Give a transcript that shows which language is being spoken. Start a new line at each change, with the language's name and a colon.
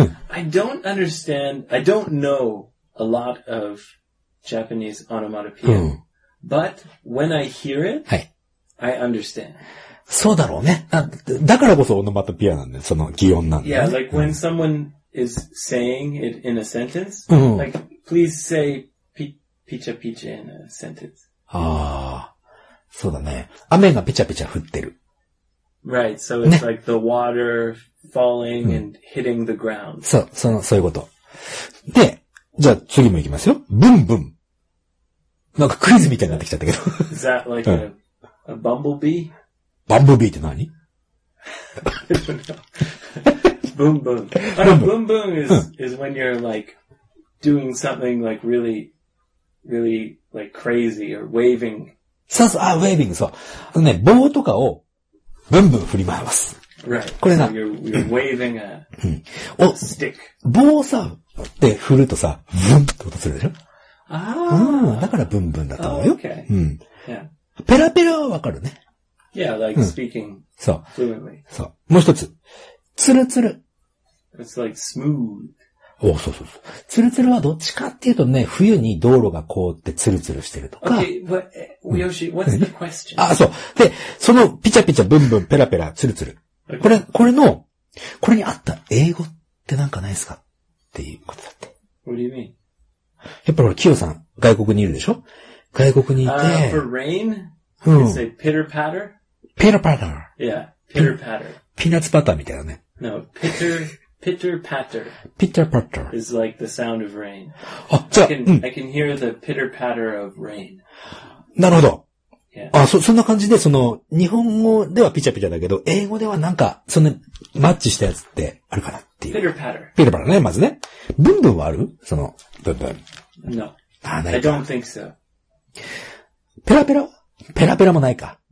English: I don't understand, I don't know a lot of Japanese onomatopoeia, but when I hear it, I understand.
Japanese: そうだろうね。だからこそオノマトピアなんだよ。その擬音なんだよ。
English: Yeah, like when someone is saying it in a sentence, like please say picha picha in a sentence.
Japanese: ああ、そうだね。雨がピチャピチャ降ってる。
English: Right, so it's、ね、like the water falling and hitting the ground.
Japanese: そう、そういうこと。で、じゃあ次も行きますよ。ブンブン。なんかクイズみたいになってきちゃったけど。
English: Is that like a bumblebee?
Japanese: バンブビーって何？ブンブン。
English: ブンブン is when you're like doing something like really, really like crazy or waving.
Japanese: そうそう、あ、waving、そう。あのね、棒とかをブンブン振り回す。
English: Right.
Japanese: これな。
English: So、you're waving a stick.
Japanese: 棒をさ、って振るとさ、ブンって音するでしょ？ああ。うん、だからブンブンだと思うよ。
English: Oh, okay.
Japanese: うん。
English: Yeah.
Japanese: ペラペラはわかるね。
English: Yeah, like speaking fluently.
Japanese: そう。もう一つ。ツルツル。
English: It's like smooth.
Japanese: お、そうそうそう。ツルツルはどっちかっていうとね、冬に道路が凍ってツルツルしてるとか。
English: Okay, but, Yoshi, what's the question?
Japanese: あ、そう。で、そのピチャピチャブンブンペラペラツルツル。
English: Okay.
Japanese: これに合った英語ってなんかないですかっていうことだって。
English: What do you mean?
Japanese: やっぱほら、キヨさん、外国にいるでしょ？外国にいて。
English: For rain? It's a pitter patter? Pitter patter. Yeah, pitter patter.
Japanese: ピーナッツバターみたいなね。
English: No, pitter patter. Pitter patter. Is like the sound of rain.
Japanese: あ、じゃあ、
English: I can hear the pitter patter of rain.
Japanese: なるほど。
English: Yeah.
Japanese: あ、そんな感じで、その、日本語ではピチャピチャだけど、英語ではなんか、そんな、マッチしたやつってあるかなっていう。
English: pitter patter.
Japanese: pitter patter ね、まずね。ブンブンはある？その、ブンブン。
English: No.
Japanese: あ、ないか。
English: I don't think so.
Japanese: ペラペラ？ペラペラもないか。